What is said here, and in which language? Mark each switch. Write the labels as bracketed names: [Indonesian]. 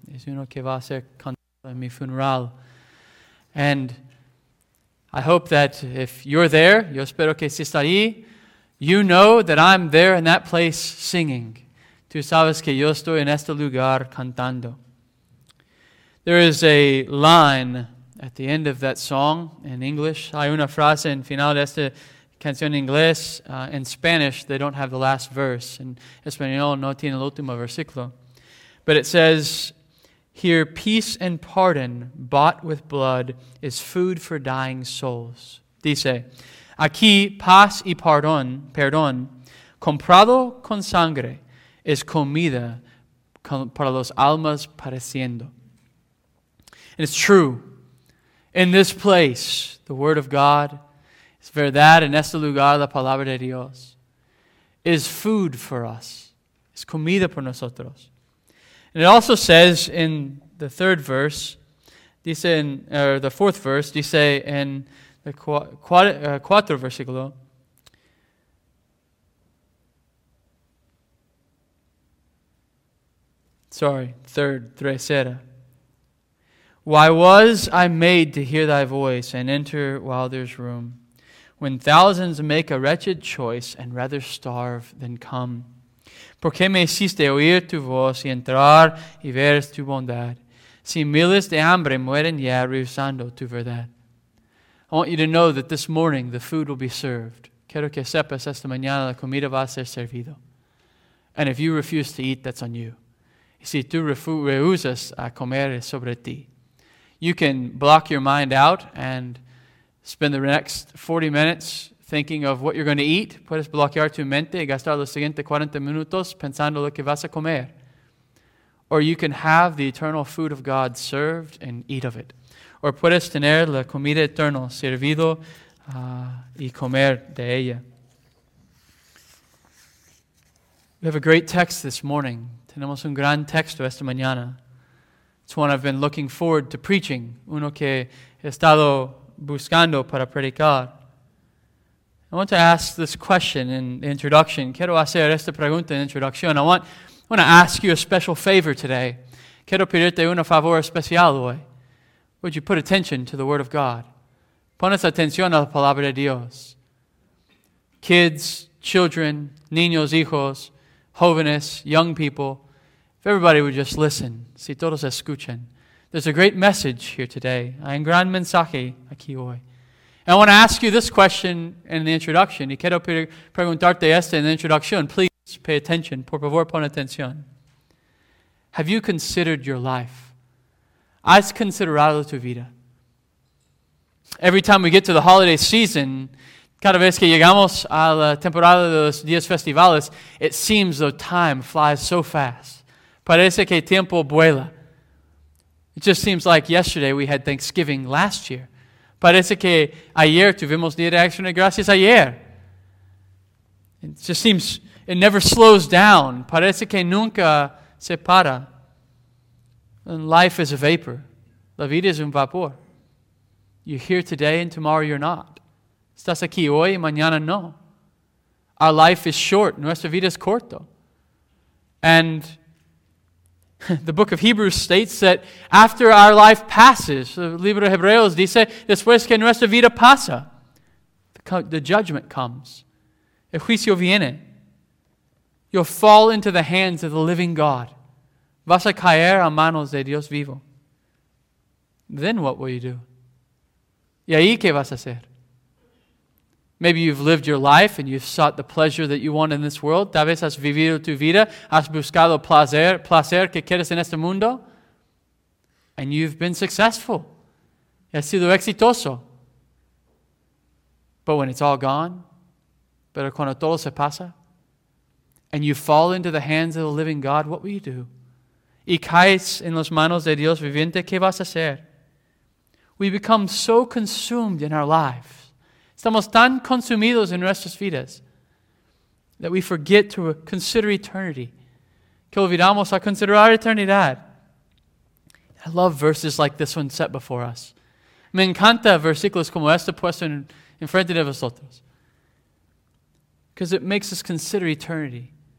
[Spanish] Es uno que va a ser cantado en mi funeral. [English] And I hope that if you're there, [Spanish] yo espero que si está ahí, [English] you know that I'm there in that place singing. [Spanish] Tú sabes que yo estoy en este lugar cantando. [English] There is a line at the end of that song in English. [Spanish] Hay una frase en final de esta canción en inglés. [English] In Spanish, they don't have the last verse. [Spanish] En español no tiene el último versículo. [English] But it says, here, peace and pardon bought with blood is food for dying souls. [Spanish] Dice, aquí paz y perdón comprado con sangre es comida para los almas pereciendo. [English] And it's true. In this place, the Word of God, [Spanish] es verdad, en este lugar, la palabra de Dios, [English] is food for us. [Spanish] Es comida por nosotros. [English] And it also says in the third verse, [Spanish] dice en, [English] or the fourth verse, dice en the [Spanish] cuatro versículo, tercera, [English] why was I made to hear thy voice and enter while there's room, when thousands make a wretched choice and rather starve than come? [Spanish] ¿Por qué me hiciste oír tu voz y entrar y ver tu bondad, si miles de hambre mueren ya rehusando tu verdad? [English] I want you to know that this morning the food will be served. [Spanish] Quiero que sepas esta mañana la comida va a ser servido. [English] And if you refuse to eat, that's on you. [Spanish] Y si tú rehusas a comer sobre ti. [English] You can block your mind out and spend the next 40 minutes thinking of what you're going to eat. [Spanish] Puedes bloquear tu mente y gastar los siguientes 40 minutos pensando lo que vas a comer. [English] Or you can have the eternal food of God served and eat of it. [Spanish] Or puedes tener la comida eterna servido y comer de ella. [English] We have a great text this morning. [Spanish] Tenemos un gran texto esta mañana. [English] It's one I've been looking forward to preaching. [Spanish] Uno que he estado buscando para predicar. [English] I want to ask this question in the introduction. [Spanish] Quiero hacer esta pregunta en introducción. [English] I want to ask you a special favor today. [Spanish] Quiero pedirte un favor especial hoy. [English] Would you put attention to the Word of God? [Spanish] Pones atención a la palabra de Dios. [English] Kids, children, [Spanish] niños, hijos, jóvenes, [English] young people. If everybody would just listen. [Spanish] Si todos escuchan. [English] There's a great message here today. [Spanish] Hay un gran mensaje aquí hoy. [English] I want to ask you this question in the introduction. [Spanish] Y quiero preguntarte esto en la introducción. [English] Please pay attention. Por favor, pon atención. Have you considered your life? [Spanish] ¿Has considerado tu vida? [English] Every time we get to the holiday season, [Spanish] cada vez que llegamos a la temporada de los días festivales, [English] it seems though time flies so fast. [Spanish] Parece que tiempo vuela. [English] It just seems like yesterday we had Thanksgiving last year. [Spanish] Parece que ayer tuvimos Día de Acción de Gracias ayer. [English] It just seems, it never slows down. [Spanish] Parece que nunca se para. [English] And life is a vapor. [Spanish] La vida es un vapor. [English] You're here today and tomorrow you're not. [Spanish] Estás aquí hoy y mañana no. [English] Our life is short. [Spanish] Nuestra vida es corto. [English] And the book of Hebrews states that after our life passes, the [Spanish] libro de Hebreos dice, después que nuestra vida pasa, [English] the judgment comes. [Spanish] El juicio viene. [English] You'll fall into the hands of the living God. [Spanish] Vas a caer a manos de Dios vivo. [English] Then what will you do? [Spanish] ¿Y ahí qué vas a hacer? [English] Maybe you've lived your life and you've sought the pleasure that you want in this world. [Spanish] Tal vez has vivido tu vida, has buscado placer que quieres en este mundo. [English] And you've been successful. [Spanish] Has sido exitoso. [English] But when it's all gone, [Spanish] pero cuando todo se pasa, [English] and you fall into the hands of the living God, what will you do? [Spanish] Y caes en las manos de Dios viviente, ¿qué vas a hacer? [English] We become so consumed in our life. [Spanish] Estamos tan consumidos en nuestras vidas [English] that we forget to consider eternity. [Spanish] Que olvidamos a considerar eternidad. [English] I love verses like this one set before us. [Spanish] Me encanta versículos como este puesto en frente de vosotros. [English] Because it makes us consider eternity.